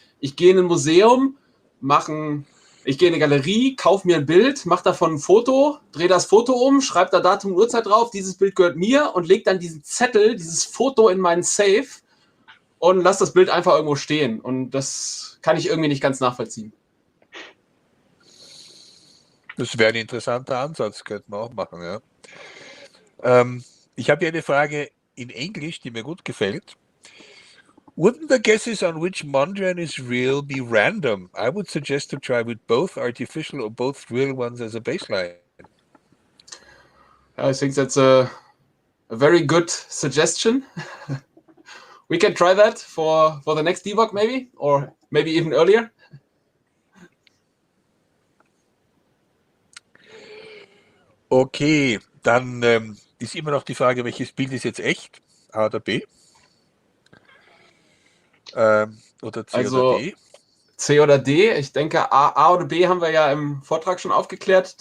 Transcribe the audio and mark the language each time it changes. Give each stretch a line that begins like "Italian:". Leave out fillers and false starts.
German: Ich gehe in ein Museum, ich gehe in eine Galerie, kaufe mir ein Bild, mache davon ein Foto, drehe das Foto um, schreibe da Datum und Uhrzeit drauf, dieses Bild gehört mir und lege dann diesen Zettel, dieses Foto in meinen Safe und lass das Bild einfach irgendwo stehen. Und das kann ich irgendwie nicht ganz nachvollziehen. Das wäre ein interessanter Ansatz, könnte man auch machen, ja. Ich habe hier eine Frage in Englisch, die mir gut gefällt.
English: Wouldn't the guesses on which Mondrian is real be random? I would suggest to try with both artificial or both real ones as a baseline. I think that's a very good suggestion. We can try that for the next debug maybe, or maybe even earlier.
German: Okay, dann ist immer noch die Frage, welches Bild ist jetzt echt? A oder B? Oder C also, oder D? C oder D? Ich denke, A oder B haben wir ja im Vortrag schon aufgeklärt.